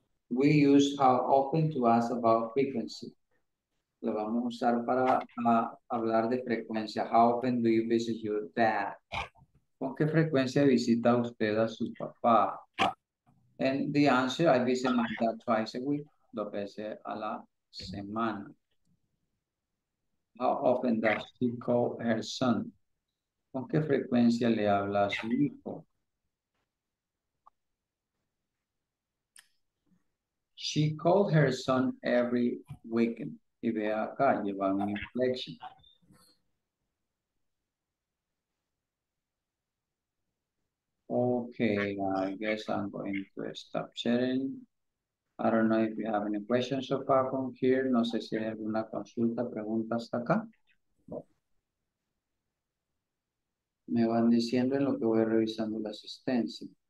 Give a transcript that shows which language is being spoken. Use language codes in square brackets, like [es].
[en] We use how often to ask about frequency. [es] Lo vamos a usar para hablar de frecuencia. [en] How often do you visit your dad? [es] ¿Con qué frecuencia visita usted a su papá? [en] And the answer, I visit my dad twice a week, [es] dos veces a la semana. [en] How often does she call her son? [es] ¿Con qué frecuencia le habla a su hijo? [en] She called her son every weekend. [es] Y vea acá, lleva una inflexión. [en] Okay, I guess I'm going to stop sharing. I don't know if you have any questions so far from here. [es] No sé si hay alguna consulta, pregunta hasta acá. Me van diciendo en lo que voy revisando la asistencia.